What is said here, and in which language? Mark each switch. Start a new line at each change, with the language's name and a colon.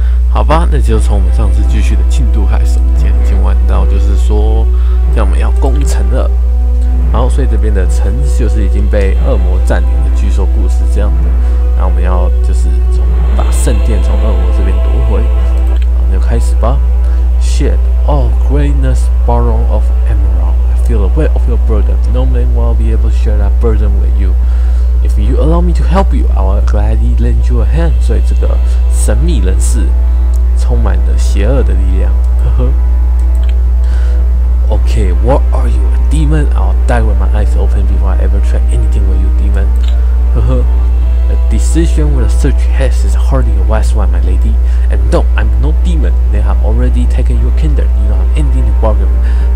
Chinese: 好吧，那就从我们上次继续的进度开始。今晚到就是说，要我们要攻城了。然后，所以这边的城就是已经被恶魔占领了，据说故事这样的。然后我们要就是把圣殿从恶魔这边夺回。好，那就开始吧。
English: Shit, oh greatness, Baron of Emerald, I feel the weight of your burden. No man will be able to share that burden with you. If you allow me to help you, I will gladly lend you a hand.
Chinese: 所以这个神秘人士充满了邪恶的力量。
English: Okay, what are you, a demon? I'll die with my eyes open before I ever try anything with you, demon. A decision with a such head is hardly a wise one, my lady. And don't, I'm no demon. They have already taken your kingdom. You don't have anything to bargain with.